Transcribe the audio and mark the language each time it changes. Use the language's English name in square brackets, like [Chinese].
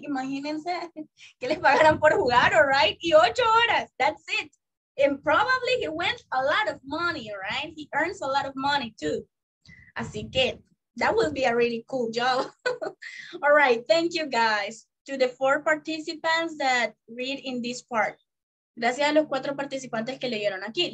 [Spanish] Imagínense que les pagaran por jugar, [English] all right? [Spanish] Y 8 horas. [English] That's it. And probably he wins a lot of money, all right? He earns a lot of money too. [Spanish] Así que [English] that would be a really cool job. All right. Thank you, guys. To the four participants that read in this part. [Spanish] Gracias a los cuatro participantes que leyeron aquí.